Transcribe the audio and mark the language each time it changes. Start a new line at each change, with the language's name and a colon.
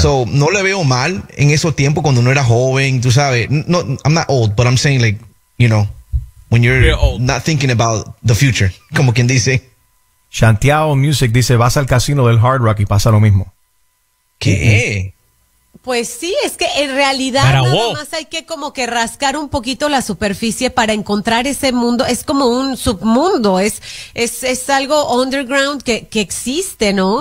Spanish: So, no le veo mal en esos tiempos cuando uno era joven, tú sabes.
English: No, I'm not old, but I'm saying, like, you know, when you're not thinking about the future,
Spanish: como quien dice. Santiago Music dice, vas al casino del Hard Rock y pasa lo mismo. ¿Qué? Pues sí, es que en realidad nada más hay que como que rascar un poquito la superficie para encontrar ese mundo. Es como un submundo, es algo underground que existe, ¿no?